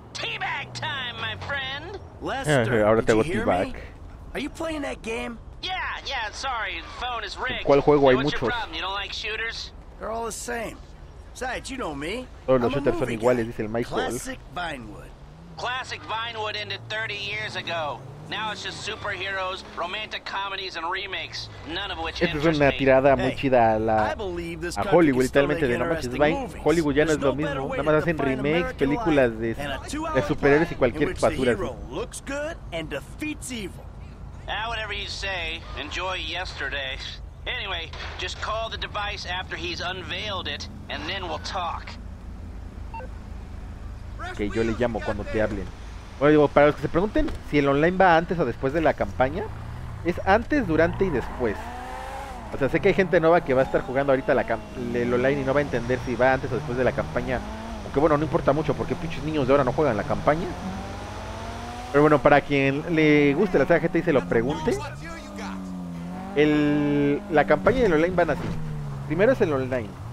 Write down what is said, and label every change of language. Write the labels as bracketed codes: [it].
[en] Teabag time, my friend. Lester, [es] ahora tengo teabag. [en] Are you playing that game? Yeah, sorry, the phone is rigged. [es] ¿Cuál juego hay muchos? [en] You don't like shooters? They're all the same. Besides, you know me. [es] Todos los shooters son iguales, dice el Michael. [en] Classic Vinewood. Classic Vinewood ended 30 years ago. Now it's just superheroes, romantic comedies and remakes, none of which interest me. [es] Esta es una tirada muy chida a Hollywood, literalmente, de no manches, Hollywood ya no es lo mismo, nada más hacen remakes, películas de superhéroes y cualquier basura. [en] Whatever you say, enjoy yesterday. Anyway, just call the device after he's unveiled it and then we'll talk. [es] Que yo le llamo cuando te hablen. Bueno, digo, para los que se pregunten si el online va antes o después de la campaña, es antes, durante y después. O sea, sé que hay gente nueva que va a estar jugando ahorita el online y no va a entender si va antes o después de la campaña. Aunque bueno, no importa mucho porque pinches niños de ahora no juegan la campaña. Pero bueno, para quien le guste la saga GTA y se lo pregunte, la campaña y el online van así. Primero es el online.